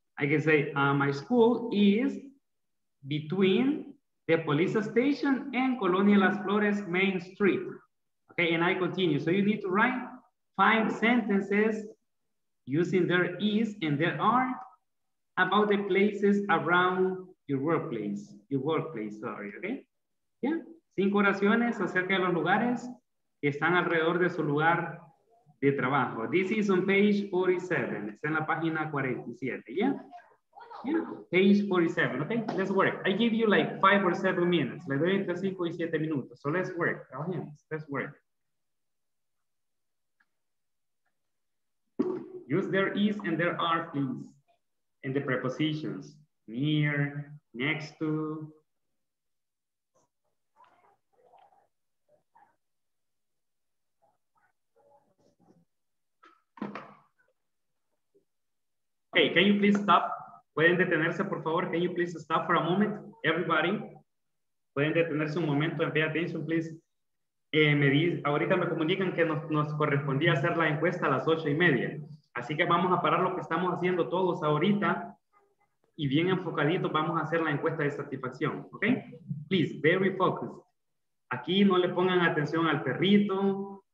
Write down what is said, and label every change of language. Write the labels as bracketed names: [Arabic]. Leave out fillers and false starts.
[English] I can say, my school is between the police station and Colonia Las Flores Main Street. Okay, and I continue. So you need to write five sentences using there is and there are about the places around your workplace, sorry, okay? [Spanish] Yeah, cinco oraciones acerca de los lugares que están alrededor de su lugar de trabajo. [English] This is on page 47. [Spanish] Está en la página 47, [English] yeah? Yeah, page 47, okay? Let's work. I give you like 5 or 7 minutes. [Spanish] Le doy entre 5 y 7 minutos. [English] So let's work. [Spanish] Trabajemos. [English] Let's work. Use there is and there are, please, in the prepositions. Near, next to. Okay, can you please stop? [Spanish] Pueden detenerse, por favor. [English] Can you please stop for a moment, everybody? [Spanish] Pueden detenerse un momento [English] and pay attention, please. [Spanish] Ahorita me comunican que nos correspondía hacer la encuesta a las 8:30. Así que vamos a parar lo que estamos haciendo todos ahorita. Y bien enfocadito vamos a hacer la encuesta de satisfacción, ¿ok? [English] Please, very focused. [Spanish] Aquí no le pongan atención al perrito.